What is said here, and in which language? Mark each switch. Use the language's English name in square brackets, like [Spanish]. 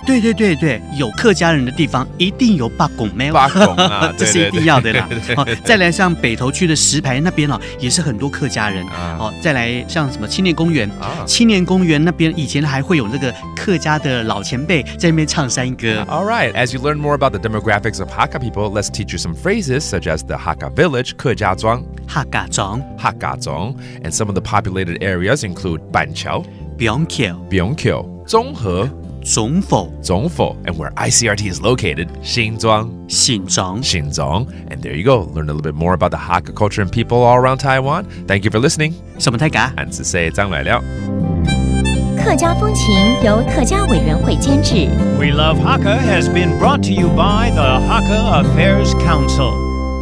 [Chinese] 对对对对，有客家人的地方一定有八公庙，八公啊，这是一定要的啦。对对对对对、哦、再来像北投区的石牌那边、哦、也是很多客家人、啊哦、再来像什么青年公园、啊、青年公园那边以前还会有那个客家的老前辈在那边唱山歌。 [English] Alright, as you learn more about the demographics of Hakka people, let's teach you some phrases such as the Hakka village, 客家庄 [Chinese] Hakka 庄 [English] Hakka 庄 and some of the populated areas include 板桥 Banqiao, [Chinese] 中和 [English] Zhonghe, and where ICRT is located, Xinzhuang. And there you go. Learn a little bit more about the Hakka culture and people all around Taiwan. Thank you for listening. [Chinese] 什么泰嘎？俺是谁？张来了。客家风情由客家委员会监制。 [English] We Love Hakka has been brought to you by the Hakka Affairs Council.